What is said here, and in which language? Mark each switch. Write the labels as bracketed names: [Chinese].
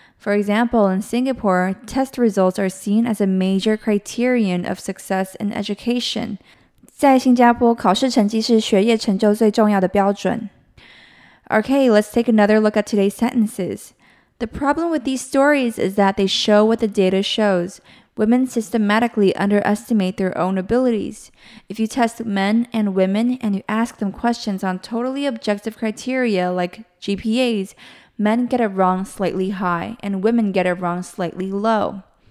[English] For example, in Singapore, test results are seen as a major criterion of success in education. [Chinese] 在新加坡，考试成绩是学业成就最重要的标准。 [English] Okay, let's take another look at today's sentences. The problem with these stories is that they show what the data shows. Women systematically underestimate their own abilities. If you test men and women and you ask them questions on totally objective criteria like GPAs,Men get it wrong slightly high, and women get it wrong slightly low.